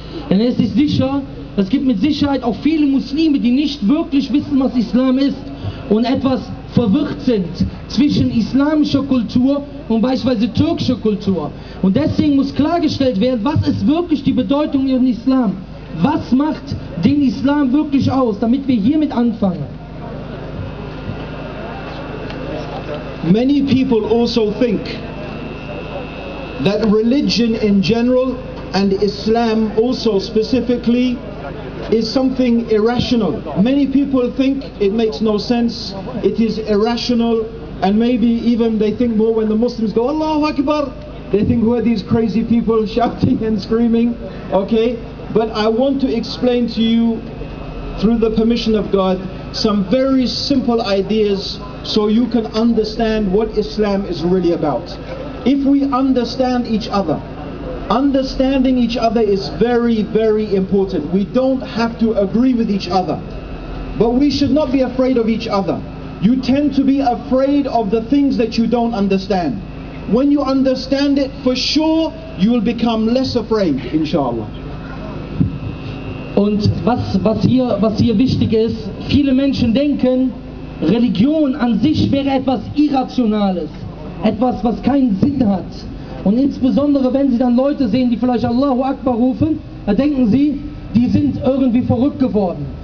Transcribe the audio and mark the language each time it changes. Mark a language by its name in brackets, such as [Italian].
[German] Denn es ist sicher, es gibt mit Sicherheit auch viele Muslime, die nicht wirklich wissen, was Islam ist und etwas verwirrt sind zwischen islamischer Kultur und beispielsweise türkischer Kultur. Und deswegen muss klargestellt werden, was ist wirklich die Bedeutung von Islam? Was macht den Islam wirklich aus, damit wir hiermit anfangen? [English] Many people also think that religion in general and Islam also specifically is something irrational. Many people think it makes no sense, it is irrational, and maybe even they think more when the Muslims go Allahu Akbar, they think who are these crazy people shouting and screaming, okay? But I want to explain to you, through the permission of God, some very simple ideas so you can understand what Islam is really about. If we understand each other, understanding each other is very, very important. We don't have to agree with each other, but we should not be afraid of each other. You tend to be afraid of the things that you don't understand. When you understand it, for sure, you will become less afraid, inshallah. [German] Und was hier wichtig ist, viele Menschen denken, Religion an sich wäre etwas Irrationales, etwas, was keinen Sinn hat. Und insbesondere, wenn sie dann Leute sehen, die vielleicht Allahu Akbar rufen, da denken sie, die sind irgendwie verrückt geworden.